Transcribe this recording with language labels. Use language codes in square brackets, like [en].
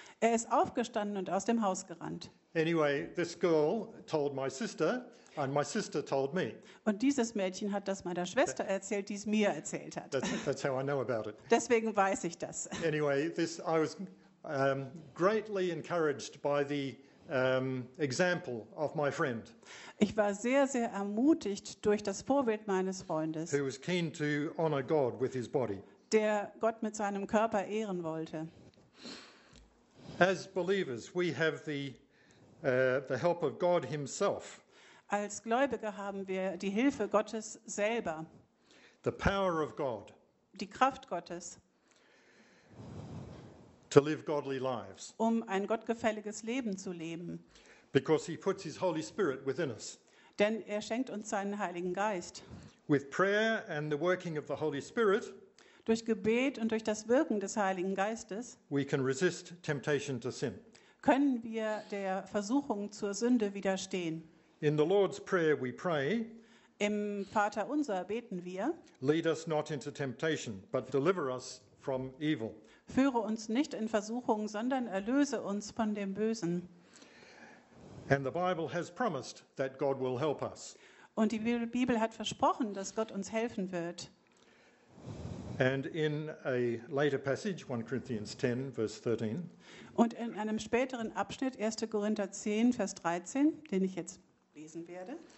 [de] Er ist aufgestanden und aus dem Haus gerannt. [en] Anyway, this girl told my sister and my sister told me. [de] Und dieses Mädchen hat das meiner Schwester erzählt, die es mir erzählt hat. [en] That's how I know about it. [de] Deswegen weiß ich das. [en] Anyway, I was greatly encouraged by the example of my friend. [de] Ich war sehr, sehr ermutigt durch das Vorbild meines Freundes, [en] who was keen to honor God with his body. [de] Der Gott mit seinem Körper ehren wollte. [en] As believers, we have the help of God himself. [de] Als Gläubige haben wir die Hilfe Gottes selber. [en] The power of God. [de] Die Kraft Gottes. [en] To live godly lives. [de] Um ein gottgefälliges Leben zu leben. [en] Because he puts his Holy Spirit within us. [de] Denn er schenkt uns seinen Heiligen Geist. [en] With prayer and the working of the Holy Spirit. [de] Durch Gebet und durch das Wirken des Heiligen Geistes. [en] We can resist temptation to sin. [de] Können wir der Versuchung zur Sünde widerstehen. [en] In the Lord's Prayer we pray. [de] Im Vater unser beten wir. [en] Lead us not into temptation, but deliver us from evil. [de] Führe uns nicht in Versuchung, sondern erlöse uns von dem Bösen. [en] And the Bible has promised that God will help us. [de] Und die Bibel hat versprochen, dass Gott uns helfen wird. [en] And in a later passage, 1 Corinthians 10, verse 13. [de] Und in einem späteren Abschnitt, 1. Korinther 10, Vers 13, den ich jetzt lesen werde.